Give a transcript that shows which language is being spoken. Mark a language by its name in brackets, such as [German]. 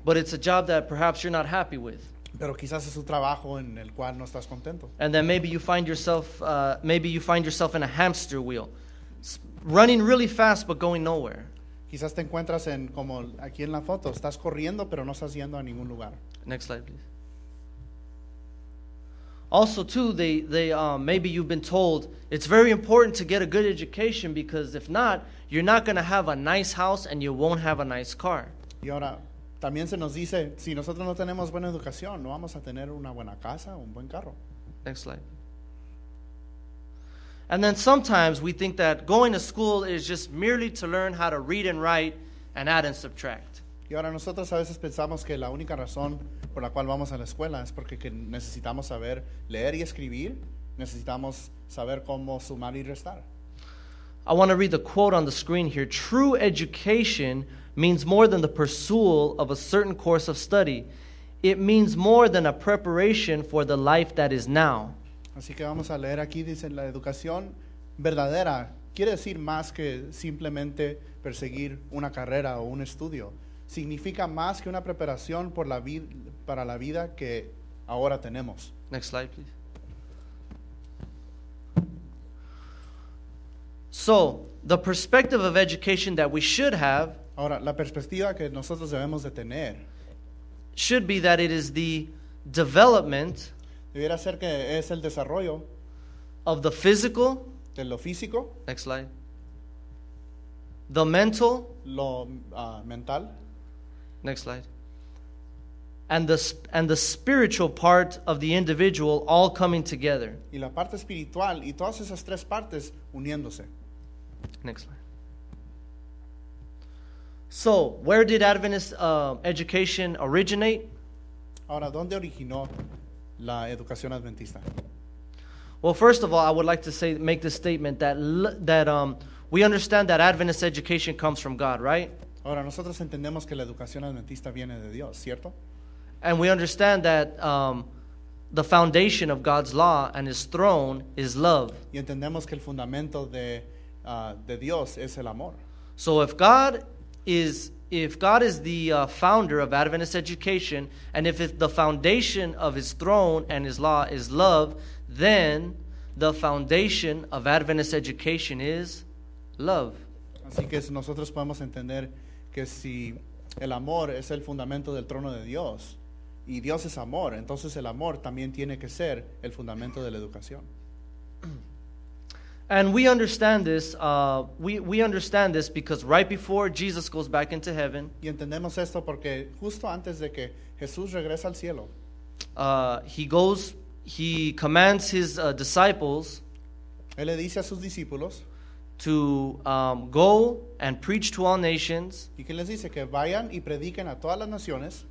[English] But it's a job that perhaps you're not happy with. [Spanish] Pero quizás es un trabajo en el cual no estás contento. [English] And then maybe you find yourself in a hamster wheel, running really fast but going nowhere. [Spanish] Quizás te encuentras en como aquí en la foto, estás corriendo pero no estás yendo a ningún lugar. [English] Next slide, please. Also, too, maybe you've been told it's very important to get a good education because if not, you're not going to have a nice house and you won't have a nice car. [Spanish] Y ahora, también se nos dice, si nosotros no tenemos buena educación, no vamos a tener una buena casa o un buen carro. [English] Next slide. And then sometimes we think that going to school is just merely to learn how to read and write and add and subtract. [Spanish] Y ahora nosotros a veces pensamos que la única razón por la cual vamos a la escuela es porque que necesitamos saber leer y escribir, necesitamos saber cómo sumar y restar. [English] I want to read the quote on the screen here. True education means more than the pursual of a certain course of study. It means more than a preparation for the life that is now. [Spanish] Así que vamos a leer aquí, dice, la educación verdadera quiere decir más que simplemente perseguir una carrera o un estudio. Significa más que una preparación por la vida, para la vida que ahora tenemos. [English] Next slide, please. So, the perspective of education that we should have, [Spanish] ahora, la perspectiva que nosotros debemos de tener, [English] should be that it is the development, [Spanish] debiera ser que es el desarrollo, [English] of the physical, [Spanish] de lo físico. [English] Next slide. The mental, [Spanish] lo mental. [English] Next slide. And the spiritual part of the individual all coming together. [Spanish] Y la parte espiritual y todas esas tres partes uniéndose. [English] Next slide. So, where did Adventist education originate? [Spanish] Ahora, ¿dónde originó la educación adventista? [English] Well, first of all, I would like to say make the statement that we understand that Adventist education comes from God, right? [Spanish] Ahora, nosotros entendemos que la educación adventista viene de Dios, ¿cierto? [English] And we understand that the foundation of God's law and his throne is love. [Spanish] Y entendemos que el fundamento de Dios es el amor. [English] So if God is the founder of Adventist education, and if the foundation of his throne and his law is love, then the foundation of Adventist education is love. [Spanish] Así que nosotros podemos entender que si el amor es el fundamento del trono de Dios y Dios es amor, entonces el amor también tiene que ser el fundamento de la educación. [English] And we understand this because right before Jesus goes back into heaven, [Spanish] y entendemos esto porque justo antes de que Jesús regresa al cielo, [English] he commands his disciples, [Spanish] él le dice a sus discípulos, [English] to go and preach to all nations, [Spanish] y que les dice que vayan y prediquen a todas las naciones,